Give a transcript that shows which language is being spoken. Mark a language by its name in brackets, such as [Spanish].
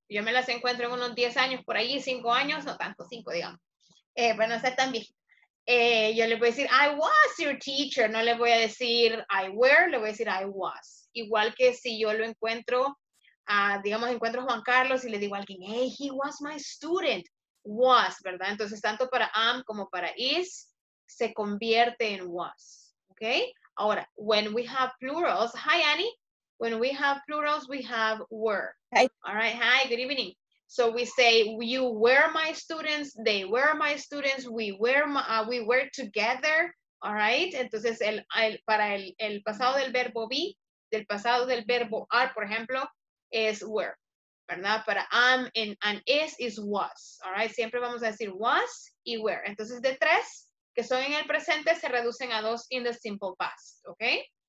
[Spanish] Yo me las encuentro en unos 10 años por ahí, 5 años, no tanto, 5, digamos. Bueno, sé también. Yo le voy a decir, [English] I was your teacher. [Spanish] No le voy a decir, [English] I were, [Spanish] le voy a decir, [English] I was. [Spanish] Igual que si yo lo encuentro, digamos, encuentro a Juan Carlos y le digo a alguien, [English] hey, he was my student. Was, [Spanish] ¿verdad? Entonces, tanto para am como para is, se convierte en was. [English] Okay? [Spanish] Ahora, [English] when we have plurals, hi, Annie. When we have plurals, we have were. Hi. All right, hi, good evening. So we say, you were my students, they were my students, we were together, all right? [Spanish] Entonces, el pasado del verbo be, del pasado del verbo are, por ejemplo, es were, ¿verdad? Para am and is was, [English] all right? [Spanish] Siempre vamos a decir was y were. Entonces, de tres que son en el presente, se reducen a dos [English] in the simple past, ¿ok?